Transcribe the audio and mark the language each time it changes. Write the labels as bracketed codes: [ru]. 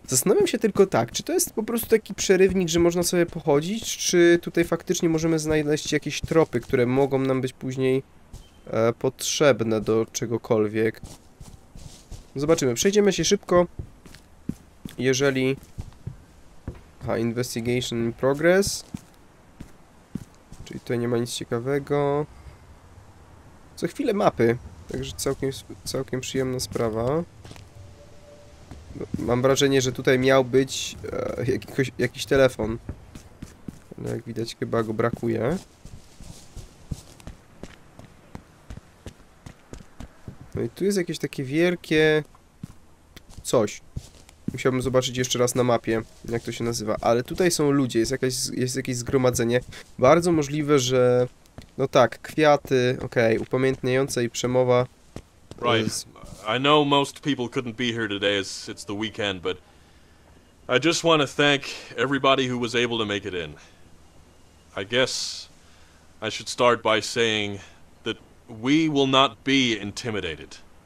[pl] Zastanawiam się tylko tak, czy to jest po prostu taki przerywnik, że można sobie pochodzić, czy tutaj faktycznie możemy znaleźć jakieś tropy, które mogą nam być później potrzebne do czegokolwiek. Zobaczymy. Przejdziemy się szybko. Jeżeli... [en] Aha, investigation in progress. [pl] Czyli tutaj nie ma nic ciekawego. Co chwilę mapy. Także całkiem przyjemna sprawa. Mam wrażenie, że tutaj miał być jakiś telefon. Ale jak widać, chyba go brakuje. No i tu jest jakieś takie wielkie... coś. Musiałbym zobaczyć jeszcze raz na mapie, jak to się nazywa. Ale tutaj są ludzie, jest jakieś zgromadzenie. Bardzo możliwe, że... No tak, kwiaty, okej, okay, upamiętniająca i przemowa. [en] Right. I know most people couldn't be here today, it's the weekend, but... I just want to thank everybody who was able to make it in. I guess I should start by saying that we will not be intimidated.